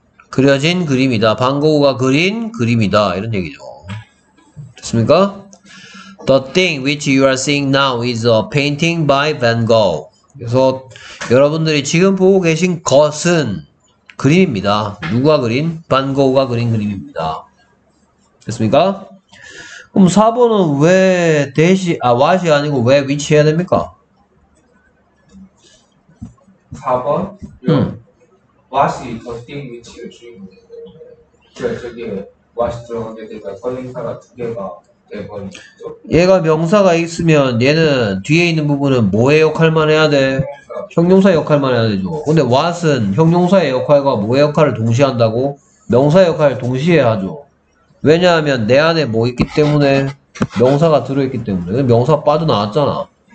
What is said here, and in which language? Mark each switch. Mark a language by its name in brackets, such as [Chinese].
[Korean] 그려진 그림이다. 반 고흐가 그린 그림이다. 이런 얘기죠. 됐습니까? [English] The thing which you are seeing now is a painting by Van Gogh. [Korean] 그래서 여러분들이 지금 보고 계신 것은 그림입니다. 누가 그린? 반 고흐가 그린 그림입니다. 됐습니까? 그럼 4번은 왜 대시 아 what이 아니고 왜 위치해야 됩니까? [English] 4번, 요, what is the thing which you dream? [Korean] 저기에 what 들어가게 되면 설명사가 두 개가 돼버리죠. 얘가 명사가 있으면 얘는 뒤에 있는 부분은 뭐의 역할만 해야 돼? 형용사의 역할만 해야 되죠. 근데 what은 형용사의 역할과 뭐의 역할을 동시에 한다고? 명사의 역할을 동시에 하죠. 왜냐하면 내 안에 뭐 있기 때문에 명사가 들어있기 때문에 명사 빠져나왔잖아.